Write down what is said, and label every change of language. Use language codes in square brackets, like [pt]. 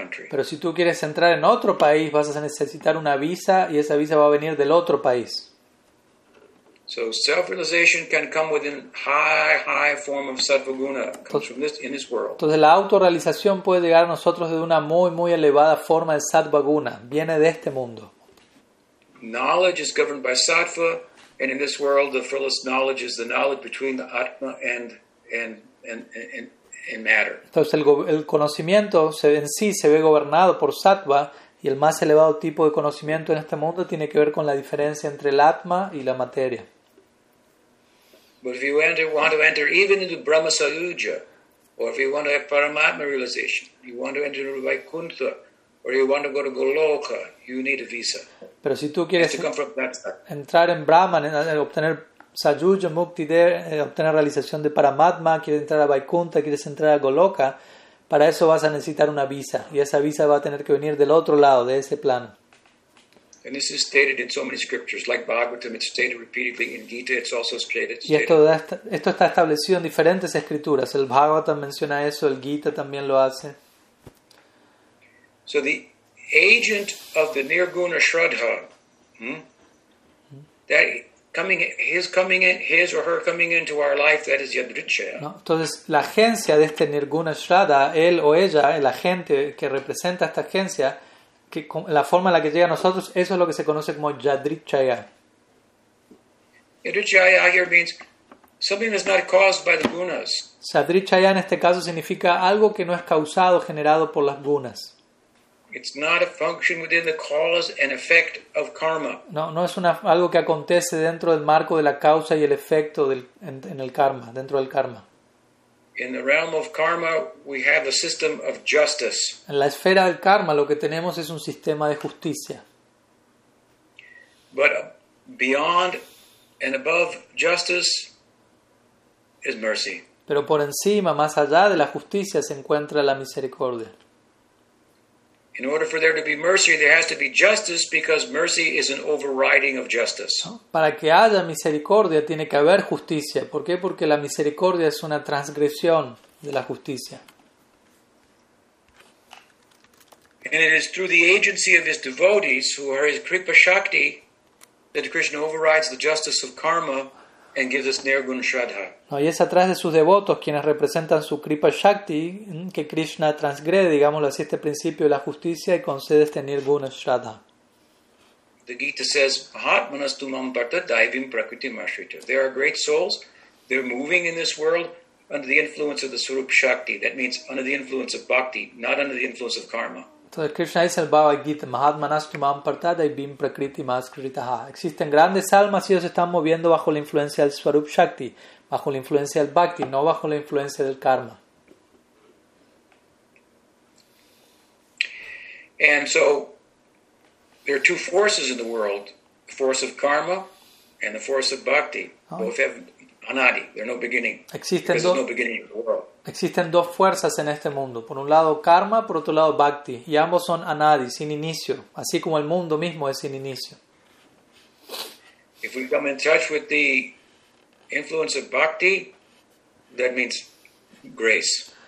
[es] Pero si tú quieres entrar en otro país, vas a necesitar una visa y esa visa va a venir del otro país. [en] So self-realization can come within high form of Sattvaguna, comes from this in this world. [es] Entonces la autorrealización puede llegar a nosotros de una muy muy elevada forma de Sattvaguna, viene de este mundo. [en] Knowledge is governed by Sattva. And in this world, the fullest knowledge is the knowledge between the Atma and matter. [es] Entonces el conocimiento en sí se ve gobernado por Sattva, y el más elevado tipo de conocimiento en este mundo tiene que ver con la diferencia entre el Atma y la materia. [en] But if you want to enter even into Brahma Sayuja, or if you want to have Paramatma realization, you want to enter into Vaikuntha, or you want to go to Goloka, you need a visa. [es] Pero si tú quieres entrar en Brahman, obtener Sayuja Mukti, obtener realización de Paramatma, quieres entrar a Vaikuntha, quieres entrar a Goloka, para eso vas a necesitar una visa. Y esa visa va a tener que venir del otro lado, de ese plano. [en] And this is stated in so many scriptures, like Bhagavatam, it's stated repeatedly in Gita, it's also stated. [es] Y esto está establecido en diferentes escrituras. El Bhagavatam menciona eso, el Gita también lo hace. [en] So the agent of the Nirguna Shraddha, that coming, his coming in, his or her coming into our life, that is Yadrichya. [es] No, entonces, la agencia de este Nirguna Shraddha, él o ella, el agente que representa esta agencia, que la forma en la que llega a nosotros, eso es lo que se conoce como Yadrichaya. [en] Yadrichaya here means something that's not caused by the gunas. [es] Yadrichaya en este caso significa algo que no es causado, generado por las gunas. [en] It's not a function within the cause and effect of karma. [es] No es algo que acontece dentro del marco de la causa y el efecto en el karma, dentro del karma. [en] In the realm of karma, we have a system of justice. [es] En la esfera del karma, lo que tenemos es un sistema de justicia. [en] But beyond and above justice is mercy. [es] Pero por encima, más allá de la justicia, se encuentra la misericordia. [en] In order for there to be mercy, there has to be justice, because mercy is an overriding of justice. [es] Para que haya misericordia, tiene que haber justicia. ¿Por qué? Porque la misericordia es una transgresión de la justicia. [en] And it is through the agency of his devotees, who are his Kripa Shakti, that Krishna overrides the justice of karma and gives us Nirguna Shraddha. [es] No, y es a través de sus devotos, quienes representan su Kripa Shakti, que Krishna transgrede, digámoslo así, este principio de la justicia y concede este Nirguna Shraddha. [en] The Gita says, Mahatmanas tumam parta daivim prakritim ashrita. There are great souls, they're moving in this world under the influence of the Surup Shakti. That means under the influence of bhakti, not under the influence of karma. [es] Entonces Krishna dice en el Bhagavad Gita, Mahatmanas tumam parta daivim prakritim ashrita. Existen grandes almas y ellos están moviendo bajo la influencia del Surup Shakti, bajo la influencia del bhakti, no bajo la influencia del karma. [en] And so there are two forces in the world, the force of karma and the force of bhakti. Oh. Both have anadi, there are no beginning. There's no beginning in the world. [es] Existen dos fuerzas en este mundo, por un lado karma, por otro lado bhakti, y ambos son anadi, sin inicio, así como el mundo mismo es sin inicio. [en] If we come in touch with the influence of bhakti, that means grace.